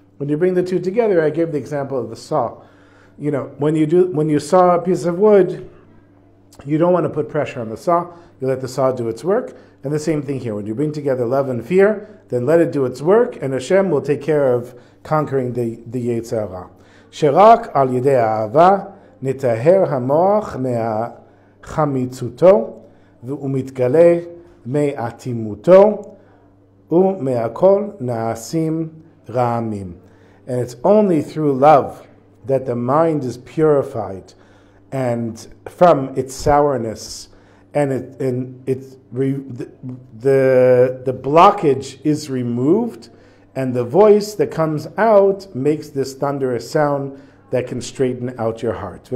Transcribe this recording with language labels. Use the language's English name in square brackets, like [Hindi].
[English] When you bring the two together, I gave the example of the saw. You know, when you saw a piece of wood, you don't want to put pressure on the saw. You let the saw do its work. And the same thing here. When you bring together love and fear, then let it do its work, and Hashem will take care of conquering the Yetzirah. [Hebrew] Shirak al yedei ahava, נתאהר המוח מהחמיצותו ומתגלה מאטימותו ומהכל נעשים רעמים. [English] And it's only through love that the mind is purified and from its sourness, and the blockage is removed, and the voice that comes out makes this thunderous sound that can straighten out your heart.